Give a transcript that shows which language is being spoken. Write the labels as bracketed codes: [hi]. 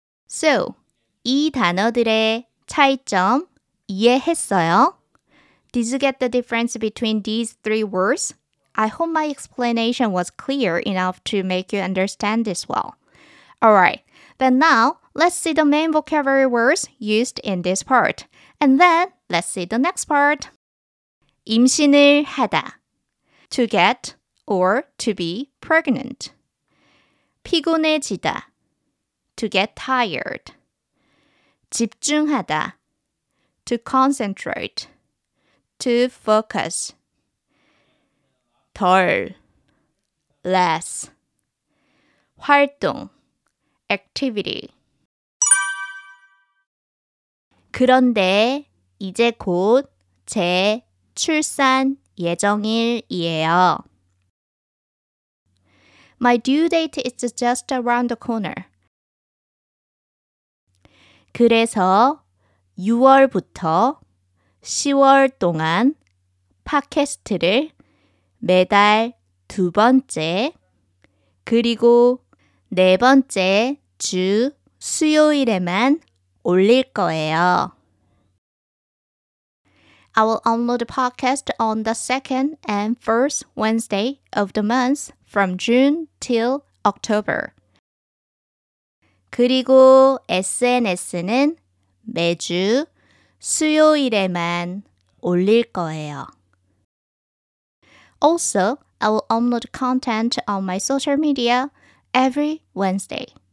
[ko] So, 이 단어들의 차이점 이해했어요? [en] Did you get the difference between these three words? I hope my explanation was clear enough to make you understand this well. Alright, then now, let's see the main vocabulary words used in this part. And then, let's see the next part. 임신을 하다. To get or to be pregnant. 피곤해지다. To get tired. 집중하다. To concentrate. To focus. 덜. Less. 활동. Activity. [ko] 그런데 이제 곧 제 출산 예정일이에요. [en] My due date is just around the corner. [ko] 그래서 6월부터 10월 동안 팟캐스트를 매달 두 번째 그리고 네 번째 주 수요일에만 올릴 거예요. [en] I will upload the podcast on the second and first Wednesday of the month from June till October. [ko] 그리고 SNS는 매주 수요일에만 올릴 거예요. [en] Also, I will upload content on my social media every Wednesday.